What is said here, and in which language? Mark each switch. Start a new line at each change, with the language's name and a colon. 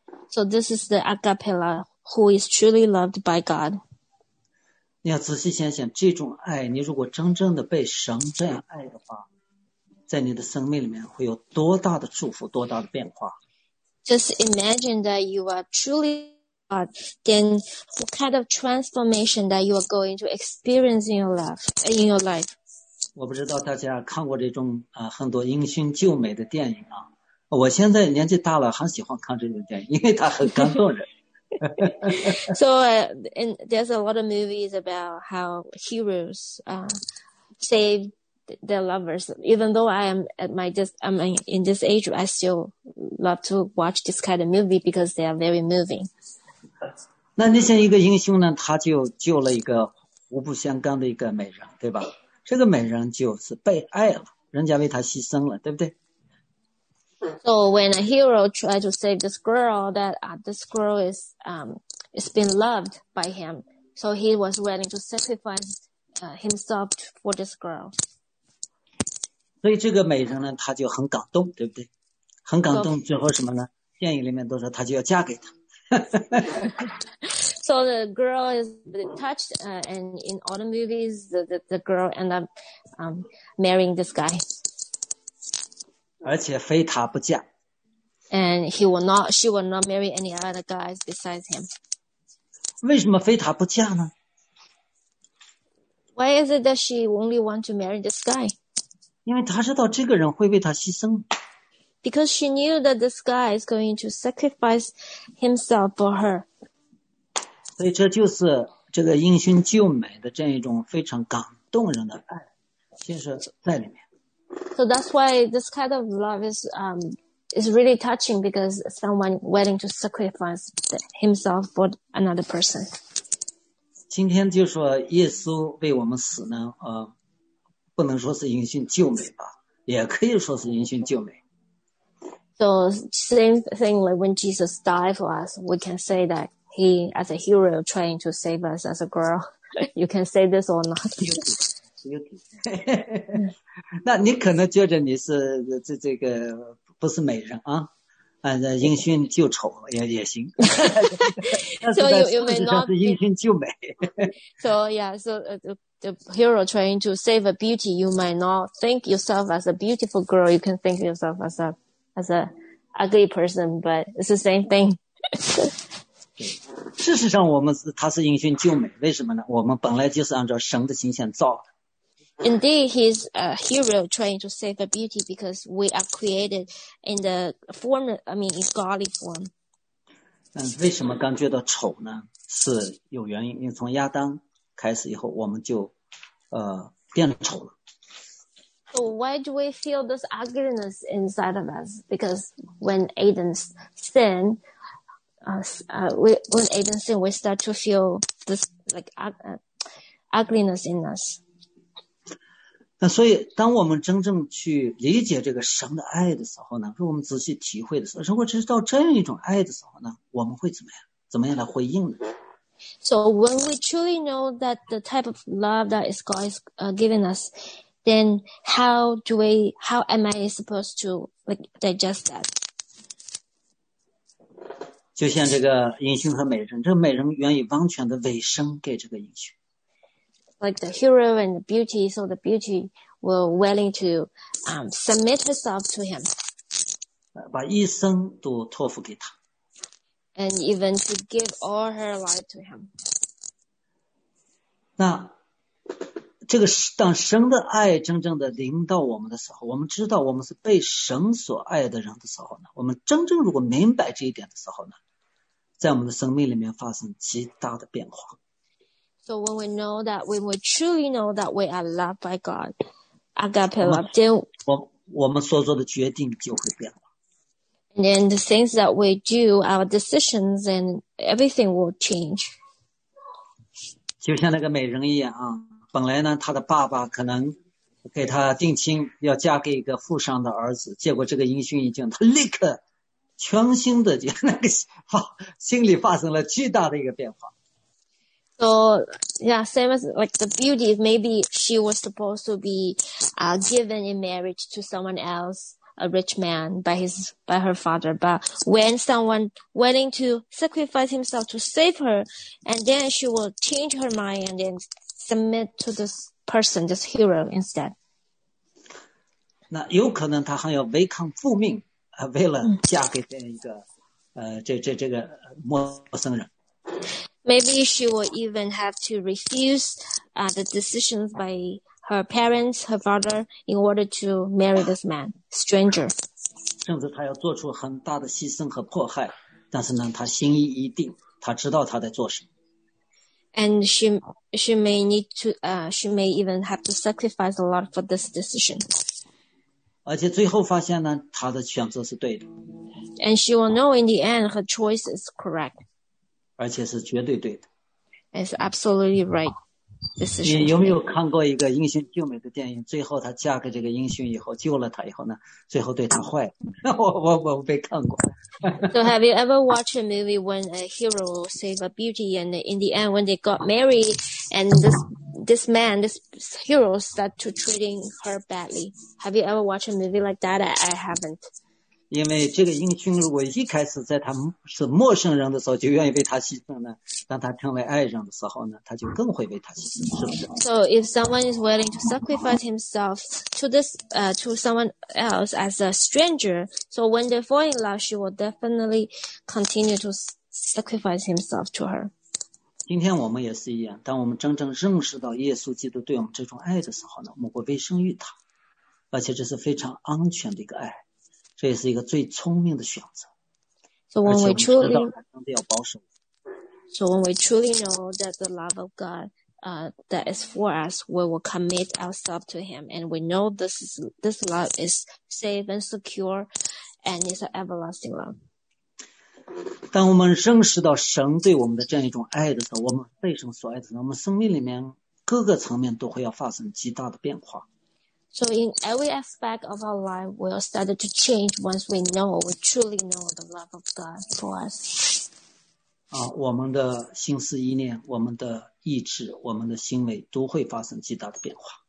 English: So this is the agapela who is truly loved by God.
Chinese: 你要仔细想想，这种爱，你如果真正的被神这样爱的话，在你的生命里面会有多大的祝福，多大的变化。
English: Just imagine that you are truly God, then what kind of transformation that you are going to experience in your life?
Chinese: 我不知道大家看过这种很多英雄救美的电影啊。我现在年纪大了，很喜欢看这种电影，因为它很感动人。
English: So, and there's a lot of movies about how heroes save their lovers. Even though I'm in this age, I still love to watch this kind of movie because they are very moving.
Chinese: 那你像一个英雄呢，他就救了一个互不相干的一个美人，对吧？这个美人就是被爱了，人家为他牺牲了，对不对？
English: So when a hero tried to save this girl, that this girl is been loved by him. So he was willing to sacrifice himself for this girl.
Chinese: 所以这个美人呢，她就很感动，对不对？很感动之后什么呢？电影里面都说她就要嫁给他。
English: So the girl is touched, and in all the movies, the girl ends up marrying this guy.
Chinese: 而且非他不嫁。
English: And he will not, she will not marry any other guys besides him.
Chinese: 为什么非他不嫁呢？
English: Why is it that she only wants to marry this guy?
Chinese: 因为他知道这个人会为他牺牲。
English: Because she knew that this guy is going to sacrifice himself for her.
Chinese: 所以这就是这个英雄救美的这样一种非常感动人的爱，其实在里面。
English: So that's why this kind of love is really touching, because someone willing to sacrifice himself for another person.
Chinese: 今天就说耶稣为我们死呢，不能说是英雄救美吧，也可以说是英雄救美。
English: So same thing, like when Jesus died for us, we can say that he as a hero trying to save us as a girl. You can say this or not.
Chinese: 那你可能觉得你是这个不是美人啊，英俊就丑也行。
English: So you may not be
Chinese: 英俊就美。
English: So yeah, so the hero trying to save a beauty, you might not think yourself as a beautiful girl. You can think yourself as a ugly person, but it's the same thing.
Chinese: 事实上，他是英俊就美，为什么呢？我们本来就是按照神的形象造的。
English: Indeed, he's a hero trying to save a beauty because we are created in the form, in godly form.
Chinese: 为什么刚觉得丑呢？是有原因，因为从亚当开始以后，我们就变丑了。
English: So why do we feel this ugliness inside of us? Because when Adam sinned, we start to feel this ugliness in us.
Chinese: 那所以当我们真正去理解这个神的爱的时候呢，如果我们仔细体会的时候，如果知道这样一种爱的时候呢，我们会怎么样？怎么样来回应呢？
English: So when we truly know that the type of love that is God is giving us, then how am I supposed to digest that?
Chinese: 就像这个英雄和美人，这个美人愿意完全的委身给这个英雄。
English: Like the hero and the beauty, so the beauty were willing to submit herself to him.
Chinese: 把一生都托付给他。
English: And even to give all her life to him.
Chinese: 那这个当神的爱真正的临到我们的时候，我们知道我们是被神所爱的人的时候呢，我们真正如果明白这一点的时候呢，在我们的生命里面发生极大的变化。
English: So when we know that, when we truly know that we are loved by God, agape love, then
Chinese: 我们所做的决定就会变了。
English: And then the things that we do, our decisions and everything will change.
Chinese: 就像那个美人一样啊，本来呢，她的爸爸可能给她定亲，要嫁给一个富商的儿子，结果这个英雄一见，她立刻全新的就心里发生了巨大的一个变化。
English: So, yeah, same as like the beauty, maybe she was supposed to be given in marriage to someone else, a rich man by her father. But when someone willing to sacrifice himself to save her, and then she will change her mind and then submit to this person, this hero instead.
Chinese: 那有可能他还要违抗父命，为了嫁给这一个，这个陌生人。
English: Maybe she will even have to refuse, the decisions by her parents, her father, in order to marry this man, stranger.
Chinese: 甚至他要做出很大的牺牲和迫害，但是呢，他心意已定，他知道他在做什么。
English: And she may need to, she may even have to sacrifice a lot for this decision.
Chinese: 而且最后发现呢，他的选择是对的。
English: And she will know in the end her choice is correct.
Chinese: 而且是绝对对的。
English: It's absolutely right.
Chinese: 你有没有看过一个英雄救美的电影？最后她嫁给这个英雄以后，救了他以后呢，最后对他坏。我没看过。
English: So have you ever watched a movie when a hero save a beauty and in the end when they got married and this man, this hero start to treating her badly? Have you ever watched a movie like that? I haven't.
Chinese: 因为这个英雄如果一开始在他是陌生人的时候就愿意为他牺牲呢，当他成为爱人的时候呢，他就更会为他牺牲，是不是？
English: So if someone is willing to sacrifice himself to this, to someone else as a stranger, so when they fall in love, she will definitely continue to sacrifice himself to her.
Chinese: 今天我们也是一样，当我们真正认识到耶稣基督对我们这种爱的时候呢，我们会委身于他，而且这是非常安全的一个爱。这也是一个最聪明的选择。
English: So when we truly,
Chinese: 而且我们知道他真的要保守。
English: So when we truly know that the love of God, that is for us, we will commit ourselves to Him, and we know this love is safe and secure, and it's an everlasting love.
Chinese: 当我们认识到神对我们的这样一种爱的时候，我们被神所爱的时候，我们生命里面各个层面都会要发生极大的变化。
English: So in every aspect of our life, we'll start to change once we know, we truly know the love of God for us.
Chinese: 啊，我们的心思意念，我们的意志，我们的行为都会发生极大的变化。